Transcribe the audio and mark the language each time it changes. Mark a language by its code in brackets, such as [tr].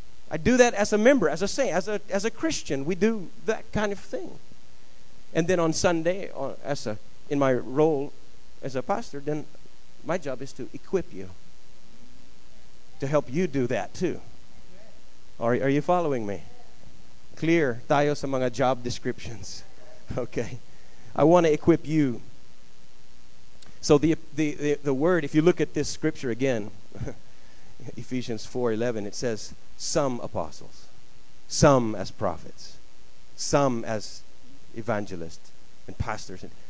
[en] I do that as a member, as a saint, as a Christian. We do that kind of thing. And then on Sunday, in my role as a pastor, then my job is to equip you, to help you do that too. Are you following me? [tl] Clear tayo sa mga job descriptions. [en] Okay. I want to equip you. So the word, if you look at this scripture again, Ephesians 4:11, it says, some apostles, some as prophets, some as evangelists and pastors.